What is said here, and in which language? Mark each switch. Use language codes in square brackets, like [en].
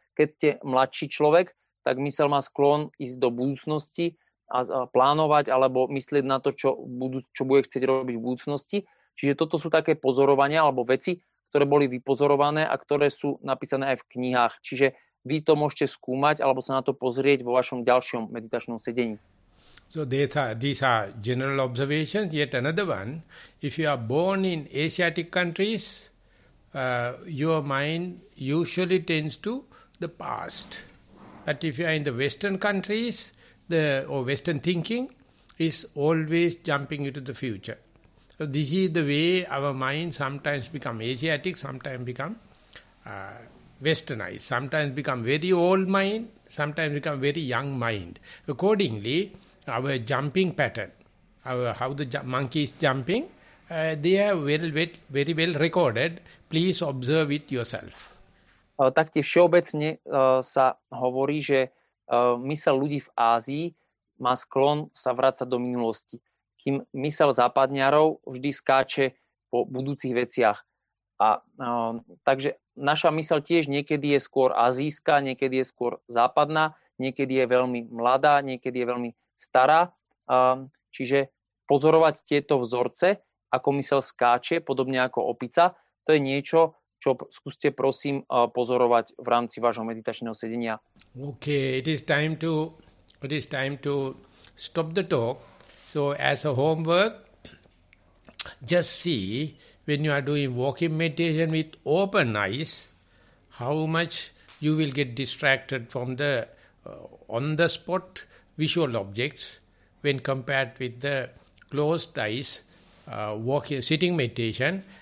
[sk] Keď ste mladší človek, tak mysel má sklon ísť do budúcnosti a plánovať alebo myslieť na to, čo bude chcieť robiť v budúcnosti. Čiže toto sú také pozorovania alebo veci, ktoré boli vypozorované a ktoré sú napísané aj v knihách. Čiže vy to môžete skúmať alebo sa na to pozrieť vo vašom ďalšom meditačnom sedení. [en] So these are general observations. Yet another one, if you are born in Asiatic countries, your mind usually tends to the past. But if you are in the Western countries, or Western thinking is always jumping into the future. So this is the way our mind sometimes become Asiatic, sometimes become Westernized, sometimes become very old mind, sometimes become very young mind. Accordingly, our jumping pattern, how the monkey is jumping, they are very well recorded. Please observe it yourself. [sk] Tak tie všeobecne sa hovorí, že mysel ľudí v Ázii má sklon sa vrácať do minulosti. Kým mysel západňarov vždy skáče po budúcich veciach. Takže naša mysel tiež niekedy je skôr azijská, niekedy je skôr západná, niekedy je veľmi mladá, niekedy je veľmi stará. Čiže pozorovať tieto vzorce, ako mysel skáče, podobne ako opica, to je niečo, čo skúste prosím pozorovať v rámci vášho meditačného sedenia. [en] OK, it is time to stop the talk. So as a homework, just see when you are doing walking meditation with open eyes, how much you will get distracted from the on-the-spot visual objects when compared with the closed eyes walking sitting meditation.